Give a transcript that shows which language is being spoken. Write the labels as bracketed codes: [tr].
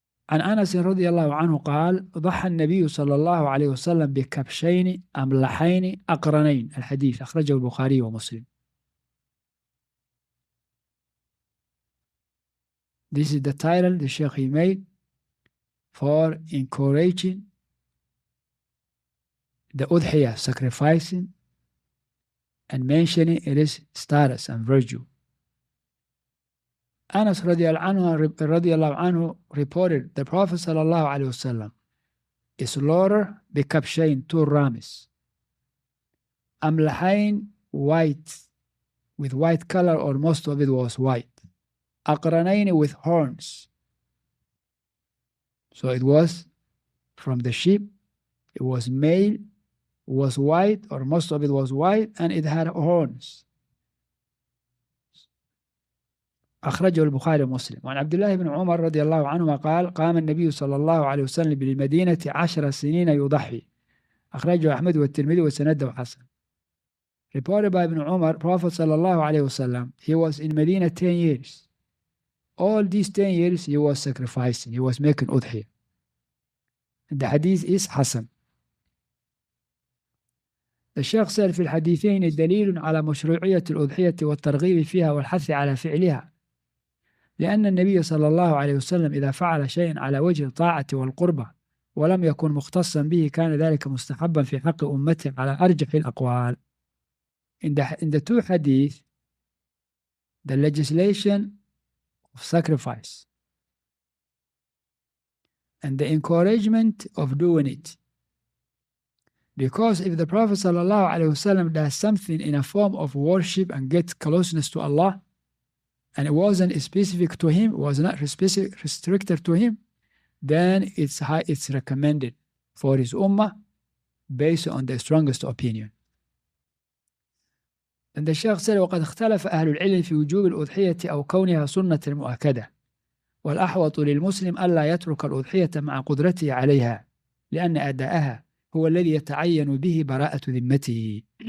[ar] عن أنس رضي الله عنه قال ضحى النبي صلى الله عليه وسلم بكبشين أملحين أقرنين الحديث أخرجه البخاري ومسلم. [en] This is the title the Shaykh he made for encouraging the udhiya, sacrificing and mentioning its status and virtue. Anas radiallahu anhu reported the Prophet sallallahu alayhi wasallam is lower bi kabshayn, two ramis, amlahayn, white, with white color, or most of it was white, aqranayn, with horns. So it was from the sheep, it was male, was white, or most of it was white, and it had horns. [ar] أخرجه البخاري ومسلم. وعن عبد الله بن عمر رضي الله عنه قال قام النبي صلى الله عليه وسلم بالمدينة 10 سنين يضحي أخرجه أحمد والترمذي وسنده حسن. [en] Reported by Ibn Umar, Prophet sallallahu alayhi wa sallam, he was in Medina 10 years. All these 10 years he was sacrificing, he was making udhiyah. The hadith is Hassan. The Sheikh said, [ar] في الحديثين دليل على مشروعية الأضحية والترغيب فيها والحث على فعلها. لأن النبي صلى الله عليه وسلم إذا فعل شيئا على وجه الطاعة والقربة ولم يكن مختصا به كان ذلك مستحبا في حق أمته على أرجح الأقوال. [en] In the two hadith, the legislation of sacrifice and the encouragement of doing it. Because if the Prophet sallallahu alaihi wasallam does something in a form of worship and gets closeness to Allah, and it wasn't specific to him, was not restricted to him, then it's recommended for his ummah based on the strongest opinion. And the Shaykh said, [ar] وَقَدْ اخْتَلَفَ أَهْلُ الْعِلْمِ فِي وُجُوبِ الْأُضْحِيَةِ أَوْ كَوْنِهَا سُنَّةٍ مُؤَكَّدَةٍ وَالْأَحْوَطُ لِلْمُسْلِمِ أَلَّا يَتْرُكَ الْأُضْحِيَةَ مَعَ قُدْرَتِهِ عَلَيْهَا لِأَنَّ أَدَاءَهَا هُوَ الَّذِي يَتَعَيَّنُ بِهِ بَرَاءَةُ ذِمَّتِهِ